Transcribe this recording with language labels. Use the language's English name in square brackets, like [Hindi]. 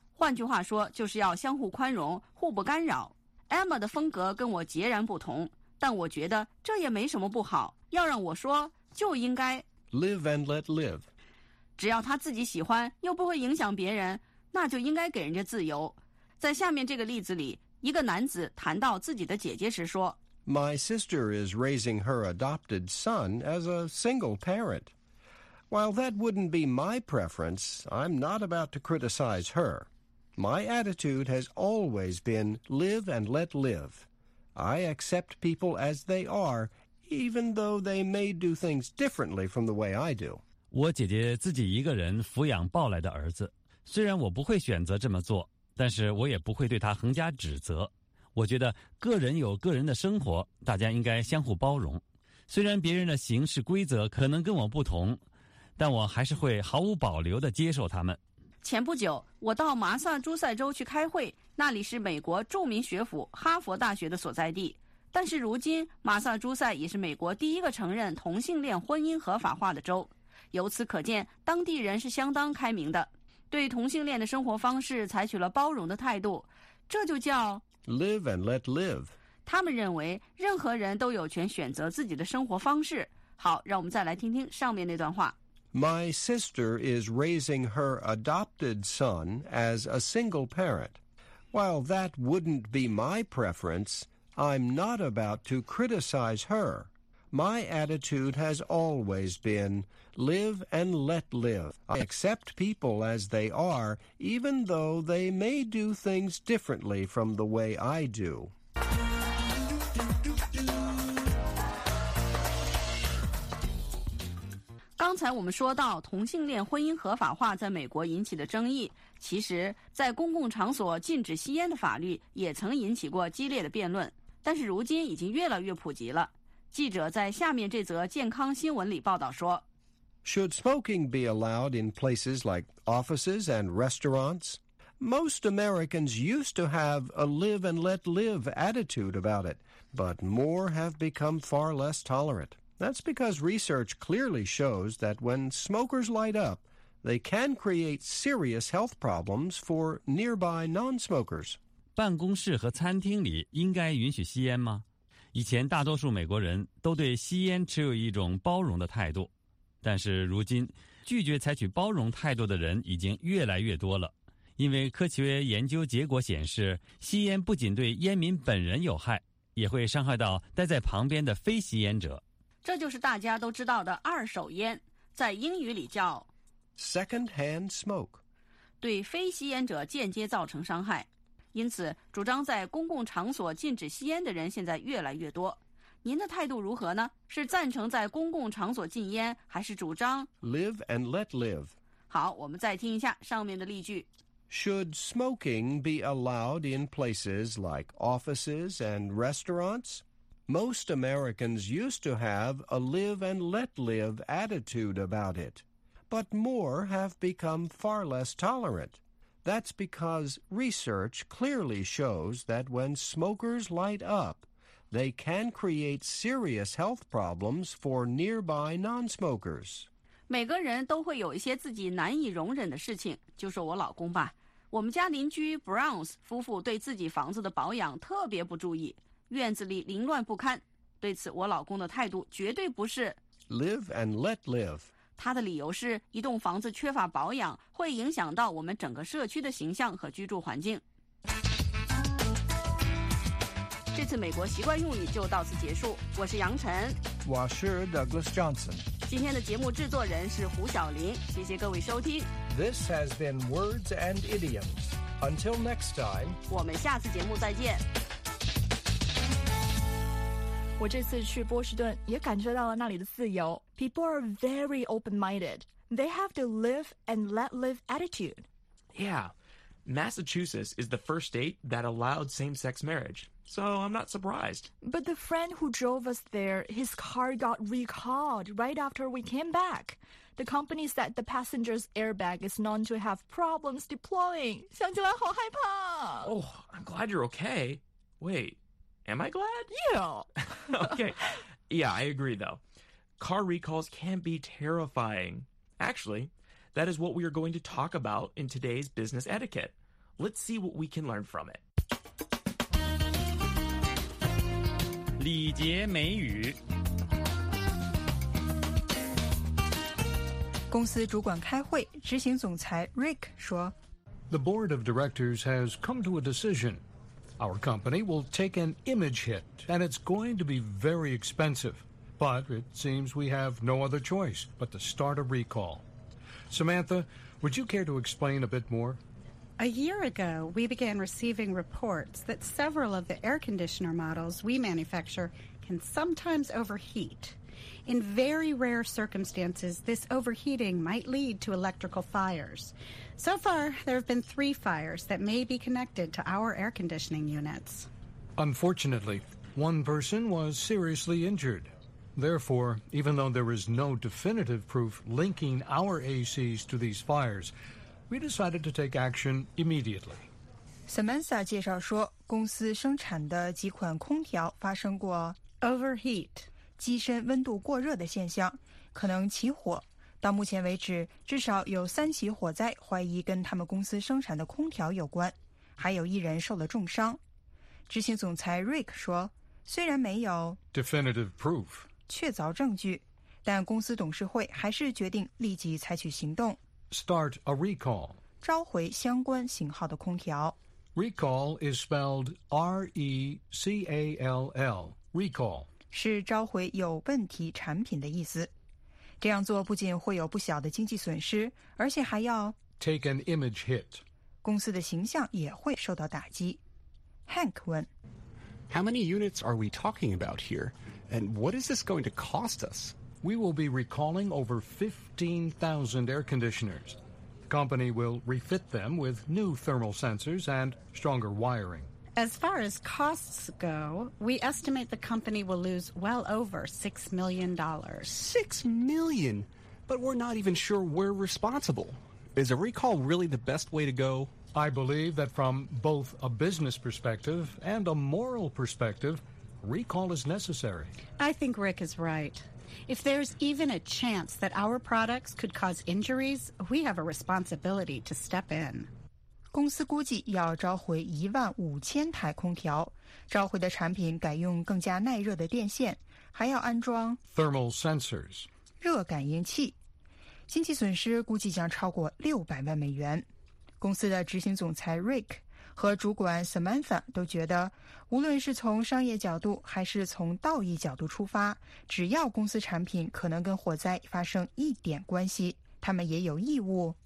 [Chinese] 换句话说，就是要相互宽容，互不干扰。Emma 的风格跟我截然不同，但我觉得这也没什么不好。要让我说，就应该 [English] Live and let live. [Chinese] 只要他自己喜欢，又不会影响别人，那就应该给人家自由。在下面这个例子里，一个男子谈到自己的姐姐时说， [English] My sister is raising her adopted son as a single parent. While that wouldn't be my preference, I'm not about to criticize her. My attitude has always been live and let live. I accept people as they are, even though they may do things differently from the way I do. [Chinese] 我姐姐自己一个人抚养抱来的儿子，虽然我不会选择这么做，但是我也不会对她横加指责。我觉得个人有个人的生活，大家应该相互包容。虽然别人的行事规则可能跟我不同，但我还是会毫无保留地接受他们。前不久，我到麻萨诸塞州去开会，那里是美国著名学府哈佛大学的所在地。但是如今，麻萨诸塞也是美国第一个承认同性恋婚姻合法化的州。由此可见，当地人是相当开明的，对同性恋的生活方式采取了包容的态度。这就叫 [English] Live and let live. [Chinese] 他们认为任何人都有权选择自己的生活方式。好，让我们再来听听上面那段话。 [English] My sister is raising her adopted son as a single parent. While that wouldn't be my preference, I'm not about to criticize her. My attitude has always been, live and let live. I accept people as they are, even though they may do things differently from the way I do. [Chinese] 刚才我们说到同性恋婚姻合法化在美国引起的争议，其实在公共场所禁止吸烟的法律也曾引起过激烈的辩论，但是如今已经越来越普及了。记者在下面这则健康新闻里报道说， [English] Should smoking be allowed in places like offices and restaurants? Most Americans used to have a live and let live attitude about it, but more have become far less tolerant. That's because research clearly shows that when smokers light up, they can create serious health problems for nearby non-smokers. [Chinese] 办公室和餐厅里应该允许吸烟吗？以前大多数美国人都对吸烟持有一种包容的态度，但是如今，拒绝采取包容态度的人已经越来越多了。因为科学研究结果显示，吸烟不仅对烟民本人有害，也会伤害到待在旁边的非吸烟者。这就是大家都知道的二手烟，在英语里叫 [English] Secondhand smoke， [Chinese] 对非吸烟者间接造成伤害。因此主张在公共场所禁止吸烟的人现在越来越多。您的态度如何呢？是赞成在公共场所禁烟，还是主张 [English] Live and let live？ [Chinese] 好，我们再听一下上面的例句。 [English] Should smoking be allowed in places like offices and restaurants? Most Americans used to have a live and let live attitude about it, but more have become far less tolerant. That's because research clearly shows that when smokers light up, they can create serious health problems for nearby non-smokers. [Chinese] 每个人都会有一些自己难以容忍的事情，就说我老公吧。我们家邻居 Browns 夫妇对自己房子的保养特别不注意。院子里凌乱不堪，对此我老公的态度绝对不是 [English] Live and let live。 [Chinese] 他的理由是一栋房子缺乏保养会影响到我们整个社区的形象和居住环境。这次美国习惯用语就到此结束，我是杨晨，我是 Douglas Johnson。今天的节目制作人是胡晓林，谢谢各位收听。 [English] This has been Words and Idioms. Until next time， [Chinese] 我们下次节目再见。我这次去波士顿也感受到了那里的自由。 [English] People are very open-minded. They have the live and let live attitude. Yeah. Massachusetts is the first state that allowed same-sex marriage. So I'm not surprised. But the friend who drove us there, his car got recalled right after we came back. The company said the passenger's airbag is known to have problems deploying. [Chinese] 想起来好害怕。 [English] Oh, I'm glad you're okay. Wait. Am I glad? Yeah. Okay. Yeah, I agree, though. Car recalls can be terrifying. Actually, that is what we are going to talk about in today's business etiquette. Let's see what we can learn from it. [Chinese] 礼节美语。公司主管开会，执行总裁 Rick 说， [English] The board of directors has come to a decision. Our company will take an image hit, and it's going to be very expensive. But it seems we have no other choice but to start a recall. Samantha, would you care to explain a bit more? A year ago, we began receiving reports that several of the air conditioner models we manufacture can sometimes overheat. In very rare circumstances, this overheating might lead to electrical fires. So far, there have been 3 fires that may be connected to our air conditioning units. Unfortunately, one person was seriously injured. Therefore, even though there is no definitive proof linking our ACs to these fires, we decided to take action immediately. [Chinese] Samantha 介绍说，公司生产的几款空调发生过 [English] overheat, [Chinese] 机身温度过热的现象，可能起火。到目前为止，至少有3起火灾怀疑跟他们公司生产的空调有关，还有一人受了重伤。执行总裁 Rick 说，虽然没有 [English] definitive proof [Chinese] 确凿证据，但公司董事会还是决定立即采取行动 [English] start a recall [Chinese] 召回相关型号的空调。 [English] Recall is spelled R-E-C-A-L-L, recall. [Chinese] 是召回有问题产品的意思。这样做不仅会有不小的经济损失，而且还要 [English] take an image hit， [Chinese] 公司的形象也会受到打击。 Hank 问 [English] ，How many units are we talking about here, and what is this going to cost us? We will be recalling over 15,000 air conditioners. The company will refit them with new thermal sensors and stronger wiring. As far as costs go, we estimate the company will lose well over $6 million. $6 million? But we're not even sure we're responsible. Is a recall really the best way to go? I believe that from both a business perspective and a moral perspective, recall is necessary. I think Rick is right. If there's even a chance that our products could cause injuries, we have a responsibility to step in. [Chinese] 公司估计要召回15,000台空调，召回的产品改用更加耐热的电线，还要安装 [English] thermal sensors [Chinese] 热感应器。经济损失估计将超过600万美元。公司的执行总裁 Rick 和主管 Samantha 都觉得，无论是从商业角度还是从道义角度出发，只要公司产品可能跟火灾发生一点关系，他们也有义务